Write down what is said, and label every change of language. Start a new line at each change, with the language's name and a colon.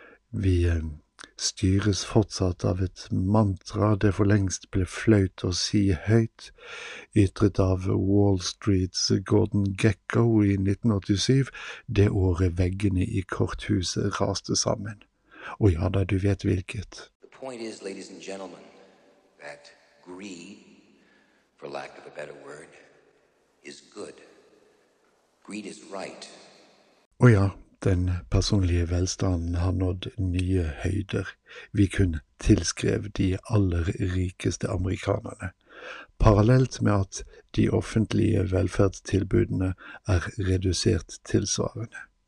Norwegian: Vi styres fortsatt av et mantra det for lengst ble flaut å si høyt, ytret av Wall Street's Gordon Gekko i 1987, det året veggene i korthuset raste sammen. Og ja da, du vet hvilket.
English: The point is, ladies and gentlemen, that greed, for lack of a better word, is good. Greed is right.
Norwegian: Og ja, den personlige velstanden har nådd nye høyder. Vi kun tilskrev de aller rikeste amerikanerne. Parallelt med at de offentlige velferdstilbudene er redusert tilsvarende.